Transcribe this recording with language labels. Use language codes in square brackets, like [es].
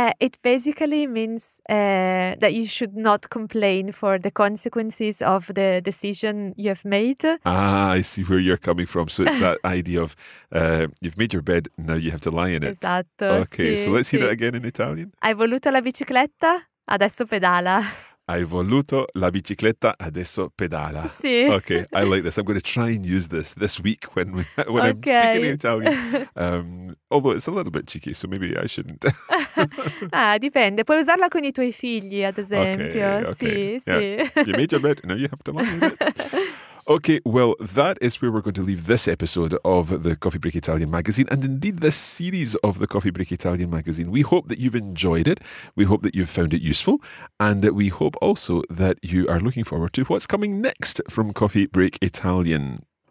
[en] It basically means that you should not complain for the consequences of the decision you have made. Ah, I see where you're coming from. So it's that idea of you've made your bed, now you have to lie in it. [it] Esatto. [en] Okay, [it] sì, [en] so let's hear that again in Italian. [it] Hai voluto la bicicletta? Adesso pedala. Hai voluto la bicicletta, adesso pedala. Sì. [en] Okay, I like this. I'm going to try and use this week when I'm speaking in Italian. Although it's a little bit cheeky, so maybe I shouldn't. [it] Dipende. Puoi usarla con i tuoi figli, ad esempio. [en] Okay. [it] Sì, [en] yeah. [it] Sì. [en] You made your bed, now you have to lie in it. Okay, well, that is where we're going to leave this episode of the Coffee Break Italian magazine, and indeed this series of the Coffee Break Italian magazine. We hope that you've enjoyed it. We hope that you've found it useful. And we hope also that you are looking forward to what's coming next from Coffee Break Italian.